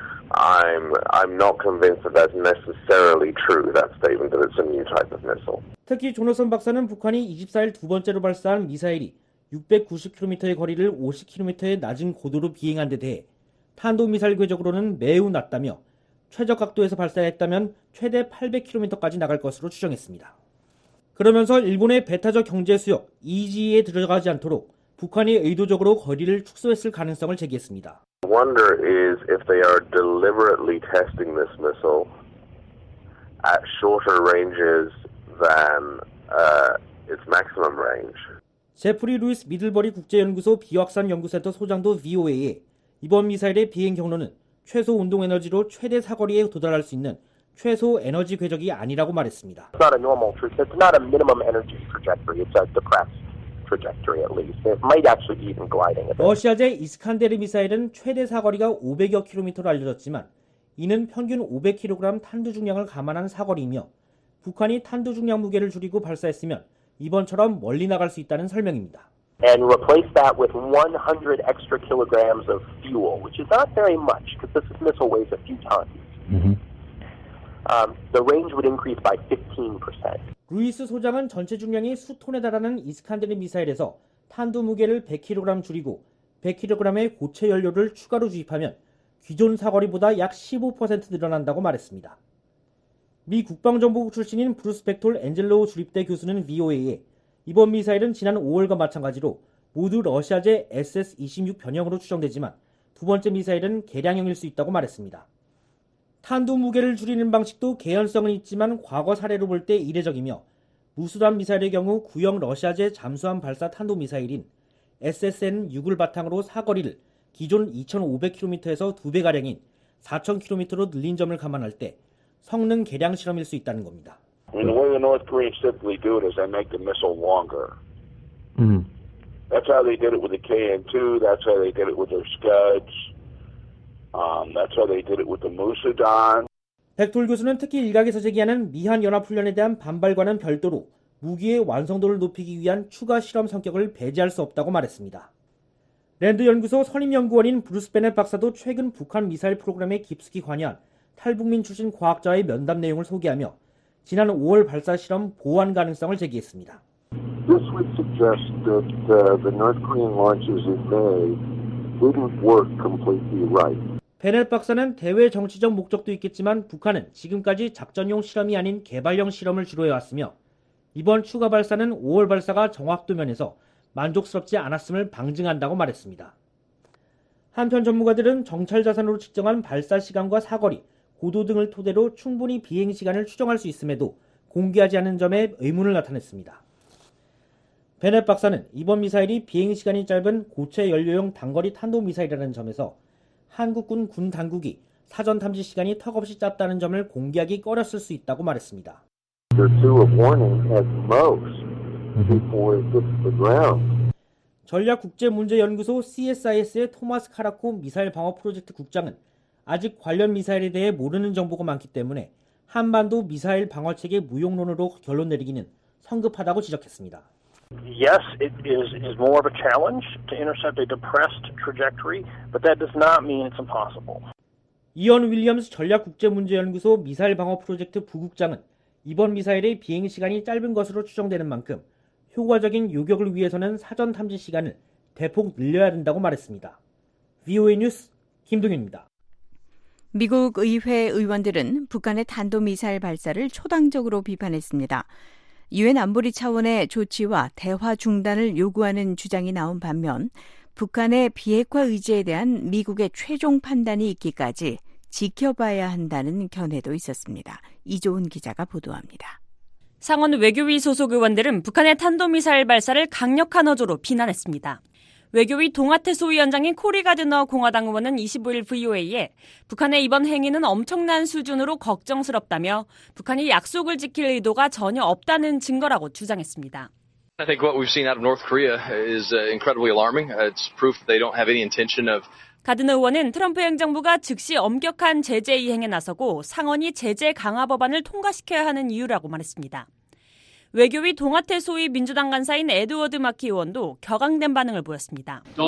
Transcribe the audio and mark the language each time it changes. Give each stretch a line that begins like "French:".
English: I'm not convinced that that's necessarily true, that statement that it's a new type of missile.
Korean: 특히 조너선 박사는 북한이 24일 두 번째로 발사한 미사일이 690km의 거리를 50km의 낮은 고도로 비행한 데 대해 탄도미사일 궤적으로는 매우 낮다며 최적 각도에서 발사했다면 최대 800km까지 나갈 것으로 추정했습니다. 그러면서 일본의 배타적 경제 수역 EG에 들어가지 않도록 북한이 의도적으로 거리를 축소했을 가능성을 제기했습니다.
English: I wonder is if they are deliberately testing this missile at shorter ranges than its maximum range.
Korean: 제프리 루이스 미들버리 국제연구소 비확산 연구센터 소장도 VOA에 이번 미사일의 비행 경로는 최소 운동 에너지로 최대 사거리에 도달할 수 있는 최소 에너지 궤적이 아니라고 말했습니다.
English: It's not a normal trajectory. It's not a minimum energy trajectory. It's a depressed trajectory at least. It might actually even gliding.
Korean: 러시아제 이스칸데르 미사일은 최대 사거리가 500여 킬로미터로 알려졌지만 이는 평균 500kg 탄두 중량을 감안한 사거리이며 북한이 탄두 중량 무게를 줄이고 발사했으면 이번처럼 멀리 나갈 수 있다는 설명입니다.
English: And replace that with 100 extra kilograms of fuel, which is not very much because this missile weighs a few tons. The range would increase by 15%.
Korean: 루이스 소장은 전체 중량이 수 톤에 달하는 이스칸데르 미사일에서 탄두 무게를 100kg 줄이고 100kg의 고체 연료를 추가로 주입하면 기존 사거리보다 약 15% 늘어난다고 말했습니다. 미 국방정보부 출신인 브루스 벡톨 엔젤로 주립대 교수는 VOA에 이번 미사일은 지난 5월과 마찬가지로 모두 러시아제 SS-26 변형으로 추정되지만 두 번째 미사일은 개량형일 수 있다고 말했습니다. 탄두 무게를 줄이는 방식도 개연성은 있지만 과거 사례로 볼 때 이례적이며 무수단 미사일의 경우 구형 러시아제 잠수함 발사 탄도 미사일인 SSN-6을 바탕으로 사거리를 기존 2,500km에서 2배가량인 4,000km로 늘린 점을 감안할 때 성능 개량 실험일 수 있다는 겁니다.
English: And the way the North Koreans simply do it is they make the missile longer. Mm. That's how they did it with the KN-2. That's how they did it with their Scuds. That's how they did it with the Musudan.
Korean: 백돌 교수는 특히 일각에서 제기하는 미한 연합 훈련에 대한 반발과는 별도로 무기의 완성도를 높이기 위한 추가 실험 성격을 배제할 수 없다고 말했습니다. 랜드 연구소 선임 연구원인 브루스 베넷 박사도 최근 북한 미사일 프로그램에 깊숙이 관여한 탈북민 출신 과학자의 면담 내용을 소개하며 지난 5월 발사 실험 보완 가능성을 제기했습니다.
English: This would suggest that the North Korean launches in May wouldn't work completely right.
Korean: 베넷 박사는 대외 정치적 목적도 있겠지만 북한은 지금까지 작전용 실험이 아닌 개발용 실험을 주로 해왔으며 이번 추가 발사는 5월 발사가 정확도 면에서 만족스럽지 않았음을 방증한다고 말했습니다. 한편 전문가들은 정찰 자산으로 측정한 발사 시간과 사거리, 고도 등을 토대로 충분히 비행 시간을 추정할 수 있음에도 공개하지 않은 점에 의문을 나타냈습니다. 베넷 박사는 이번 미사일이 비행 시간이 짧은 고체 연료용 단거리 탄도 미사일이라는 점에서 한국군 군 당국이 사전 탐지 시간이 턱없이 짧다는 점을 공개하기 꺼렸을 수 있다고 말했습니다.
English: The two of warning at most before it hits the ground.
Korean: 전략국제문제연구소 CSIS의 토마스 카라코 미사일 방어 프로젝트 국장은 아직 관련 미사일에 대해 모르는 정보가 많기 때문에 한반도 미사일 방어체계 무용론으로 결론 내리기는 성급하다고 지적했습니다.
English: Yes, it is more of a challenge to intercept a depressed trajectory, but that does not mean it's impossible.
Korean: 이언 윌리엄스 전략국제문제연구소 미사일 방어 프로젝트 부국장은 이번 미사일의 비행 시간이 짧은 것으로 추정되는 만큼 효과적인 요격을 위해서는 사전 탐지 시간을 대폭 늘려야 된다고 말했습니다. VOA 뉴스 김동윤입니다. 미국 의회 의원들은 북한의 탄도미사일 발사를 초당적으로 비판했습니다. 유엔 안보리 차원의 조치와 대화 중단을 요구하는 주장이 나온 반면 북한의 비핵화 의지에 대한 미국의 최종 판단이 있기까지 지켜봐야 한다는 견해도 있었습니다. 이조은 기자가 보도합니다. 상원 외교위 소속 의원들은 북한의 탄도미사일 발사를 강력한 어조로 비난했습니다. 외교위 동아태소 위원장인 코리 가드너 공화당 의원은 25일 VOA에 북한의 이번 행위는 엄청난 수준으로 걱정스럽다며 북한이 약속을 지킬 의도가 전혀 없다는 증거라고 주장했습니다.
English: I think what we've seen out of North Korea is incredibly alarming. It's proof they don't have any intention of
Korean: 가드너 의원은 트럼프 행정부가 즉시 엄격한 제재 이행에 나서고 상원이 제재 강화 법안을 통과시켜야 하는 이유라고 말했습니다. 외교위 동아태 소위 민주당 간사인 에드워드 마키 의원도 격앙된 반응을 보였습니다.